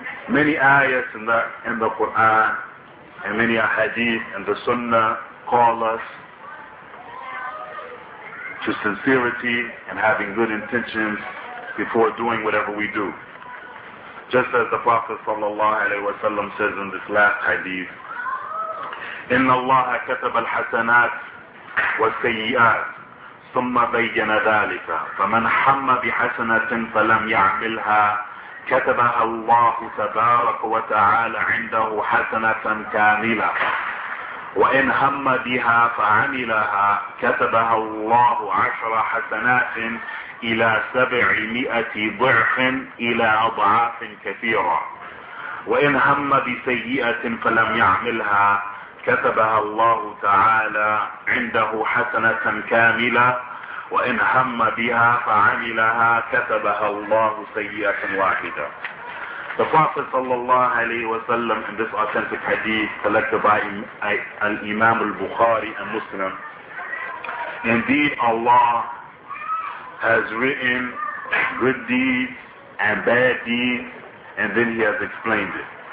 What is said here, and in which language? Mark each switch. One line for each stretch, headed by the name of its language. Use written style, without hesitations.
English: Many ayats in the Quran and many hadith in the sunnah call us to sincerity and having good intentions before doing whatever we do.
Arabic: Just as the Prophet sallallahu alayhi wa sallam says in this last hadith, إِنَّ اللَّهَ كَتَبَ الْحَسَنَاتِ وَالسَّيِّئَاتِ ثُمَّ بَيَّنَ ذَلِكَ فَمَنْ حَمَّ بِحَسَنَةٍ فَلَمْ يَعْمِلْهَا كَتَبَهَا اللَّهُ تَبَارَكُ وَتَعَالَى عِنْدَهُ حَسَنَةً كَامِلَةً وَإِنْ هَمَّ بِهَا فَعَمِلَهَا كَتَبَهَا اللَّهُ 10 حَسَنَاتٍ إِلَى 700 ضِعْفٍ إِلَى أَضْعَافٍ كَثِيرَةٍ وَإِنْ هَمَّ بِسَيِّئَةٍ فَلَمْ يَعْمِلْهَا كتبها الله تعالى عنده حسنة كاملة وإن هم بها فعملها كتبها الله سيئة واحدة.
English: The Prophet sallallahu alayhi wa sallam, in this authentic hadith collected by Imam al-Bukhari and Muslim, indeed Allah has written good deeds and bad deeds, and then He has explained it.